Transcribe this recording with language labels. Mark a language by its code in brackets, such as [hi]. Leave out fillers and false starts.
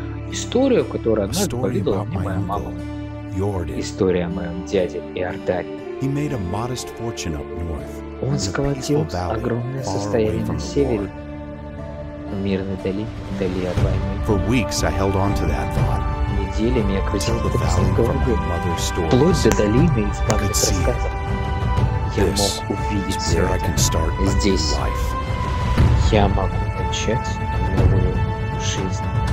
[ru] Историю, которую однажды поведала мне моя мама. История о моем дяде Иордане. [en] He made a modest fortune up north. [ru] Он сколотил огромное состояние на севере, в мирной долине, вдали от войны. [en] For weeks I held on to that thought. [ru] Неделями я крутил это постановление, вплоть до долины из бабьих рассказов. Я мог увидеть это. Здесь я могу начать новую жизнь.